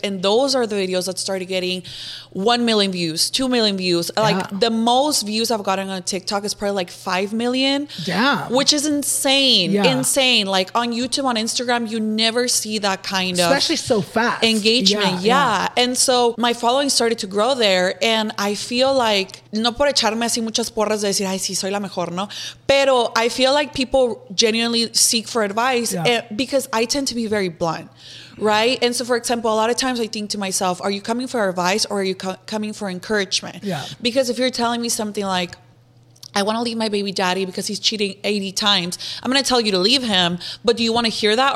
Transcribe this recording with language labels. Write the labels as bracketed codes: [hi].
[en] And those are the videos that started getting 1 million views, 2 million views. Yeah. Like the most views I've gotten on TikTok is probably like 5 million. Yeah. Which is insane. Yeah. Insane. Like on YouTube, on Instagram, you never see that kind of, especially so fast, engagement. Yeah, yeah. Yeah. And so my following started to grow there. And I feel like, [es] no por echarme así muchas porras de decir, ay, sí, soy la mejor, no? Pero [en] I feel like people genuinely seek for advice. Yeah. Because I tend to be very blunt, right? And so, for example, a lot of times I think to myself, are you coming for advice or are you coming for encouragement? Yeah. Because if you're telling me something like, I want to leave my baby daddy because he's cheating 80 times, I'm going to tell you to leave him. But do you want to hear that?